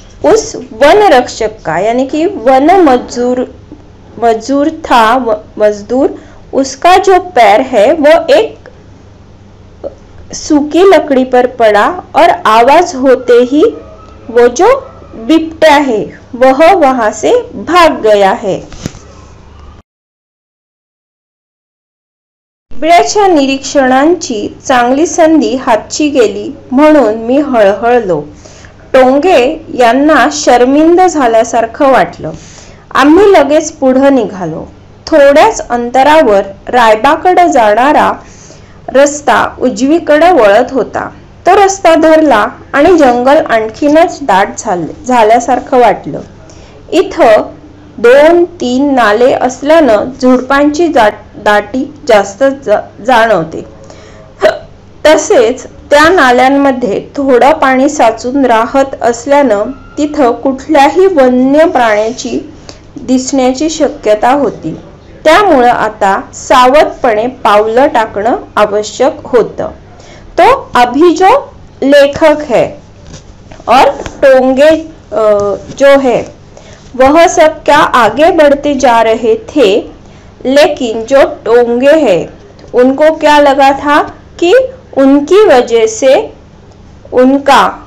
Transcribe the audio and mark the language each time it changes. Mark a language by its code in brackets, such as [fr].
[hi] उस वन रक्षक का यानी कि वन मजदूर मजदूर था मजदूर उसका जो पैर है वो एक सूखी लकड़ी पर पड़ा और आवाज होते ही वो जो बिपटा है वह वहां से भाग गया है। [mr] बिबट्याच्या निरीक्षणांची चांगली संधी हातची गेली म्हणून मी हळहळलो। टोंगे यांना शर्मिंद झाल्यासारखं वाटलं। आम्ही लगेच पुढे निघालो। थोड्याच अंतरावर रायबाकडे जाणारा रस्ता उजवीकडे वळत होता। तो रस्ता धरला आणि जंगल आणखीनच दाट झाल्यासारखं वाटलं। इथं दोन तीन नाले असल्यानं झुडपांची दाटी जास्त जाणवते। तसेच त्या नाल्यांमध्ये थोडं पाणी साचून राहत असल्यानं तिथं कुठल्याही वन्य प्राण्याची दिसण्याची शक्यता होती। त्यामुळं आता सावधपणे पावलं टाकणं आवश्यक होतं। [hi] तो अभिजो लेखक है और टोंगे जो है वह सब क्या आगे बढ़ते जा रहे थे, लेकिन जो टोंगे है उनको क्या लगा था कि उनकी वजह से उनका